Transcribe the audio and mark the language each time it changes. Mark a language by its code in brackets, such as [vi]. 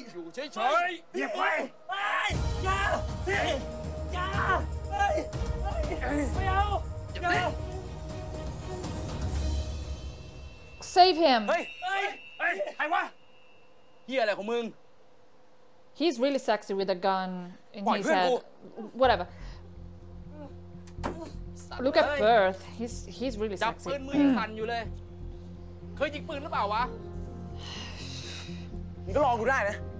[th] อยู่เฉยๆ เงียบไปไอ้อย่าเฮ้ยอย่าไม่เอาอย่าไ [en] ป Save him [th] เฮ้ยเฮ้ยไอ้วะเหี้ยอะไรของมึง [en] He's really sexy with a gun in his head whatever Look at Birth he's really sexy [th] จับปืนมือสั่นอยู่เลยเคยยิงปืนหรือเปล่าวะมึงก็ลองดูได้นะ